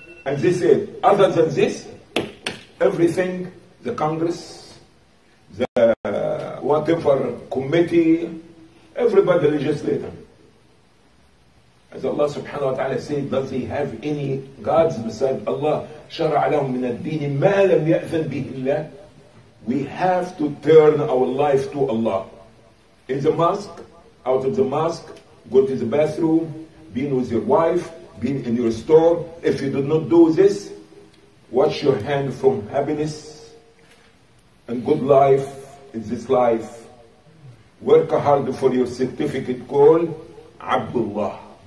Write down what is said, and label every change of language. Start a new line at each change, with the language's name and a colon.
English: And they said, other than this, everything, the Congress, the whatever committee, everybody legislator. As Allah subhanahu wa ta'ala said, does he have any gods beside Allah?
Arabic: شَرَعَ لَهُمْ مِنَ الدِّينِ مَا لَمْ يَأْذَنْ بِهِ اللَّهِ
English: We have to turn our life to Allah. In the mosque, out of the mosque, go to the bathroom, being with your wife, being in your store. If you do not do this, wash your hand from happiness and good life in this life. Work hard for your certificate called Abdullah.